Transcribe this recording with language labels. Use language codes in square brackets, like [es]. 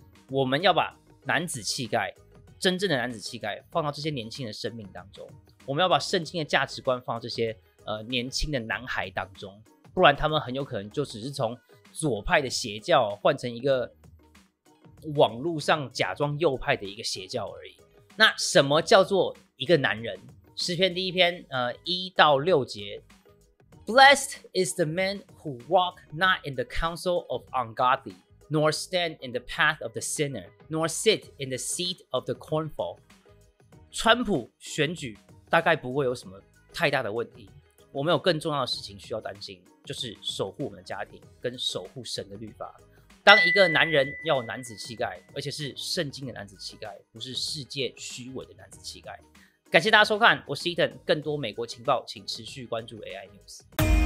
[zh] 我们要把男子气概，真正的男子气概放到这些年轻的生命当中，我们要把圣经的价值观放到这些年轻的男孩当中，不然他们很有可能就只是从左派的邪教换成一个网络上假装右派的一个邪教而已。那什么叫做一个男人？诗篇第一篇1-6节 [en] Blessed is the man who walk not in the counsel of ungodly, nor stand in the path of the sinner, nor sit in the seat of the scornful. [zh] 川普选举大概不会有什么太大的问题，我们有更重要的事情需要担心，就是守护我们的家庭跟守护神的律法。当一个男人要有男子气概，而且是圣经的男子气概，不是世界虚伪的男子气概。感谢大家收看，我是 Ethan， 更多美国情报请持续关注 AI News。